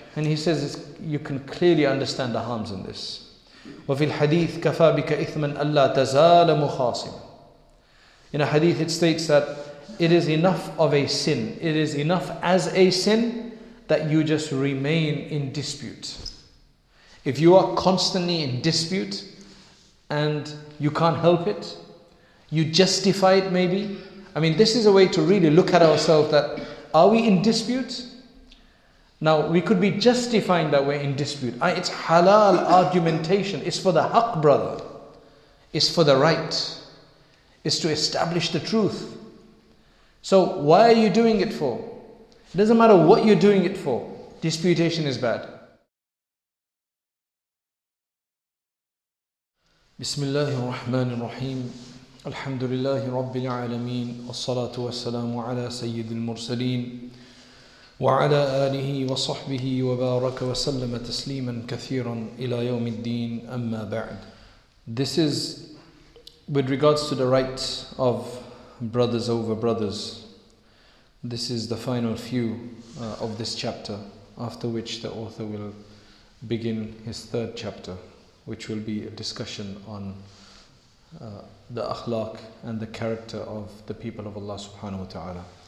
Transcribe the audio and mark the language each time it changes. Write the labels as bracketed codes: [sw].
[en] And he says you can clearly understand the harms in this. [ar] وفي الحديث كفى بك إثما ألا تزال مخاصما. [en] In a hadith it states that it is enough of a sin, it is enough as a sin that you just remain in dispute. If you are constantly in dispute and you can't help it, you justify it maybe. I mean, this is a way to really look at ourselves, that are we in dispute? Now, we could be justifying that we're in dispute. It's halal argumentation. It's for the haq, brother. It's for the right. It's to establish the truth. So, why are you doing it for? It doesn't matter what you're doing it for. Disputation is bad. [ar] Bismillah ar-Rahman ar-Rahim. Alhamdulillahi Rabbil Alameen. As-salatu was-salamu ala Sayyidil Mursaleen. وعلى آله وصحبه وبارك وسلم تسليما كثيرا إلى يوم الدين أما بعد. [en] This is with regards to the right of brothers over brothers. This is the final few of this chapter, after which the author will begin his third chapter, which will be a discussion on the akhlaq and the character of the people of Allah subhanahu wa ta'ala.